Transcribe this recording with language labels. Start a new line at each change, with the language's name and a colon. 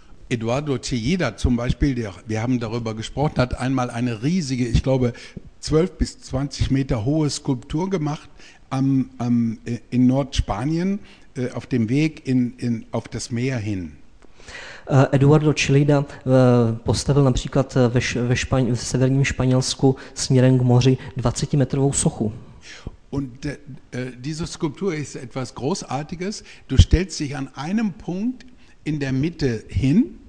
German: Eduardo Chillida zum Beispiel, wir haben darüber gesprochen, hat einmal eine riesige, ich glaube, 12 bis 20 Meter hohe Skulptur gemacht in Nordspanien, auf dem Weg auf das Meer hin.
Czech: Eduardo Chillida postavil například v severním Španělsku směrem k moři 20-metrovou sochu.
German: Und diese Skulptur ist etwas Großartiges. Du stellst dich an einem Punkt in der Mitte hin.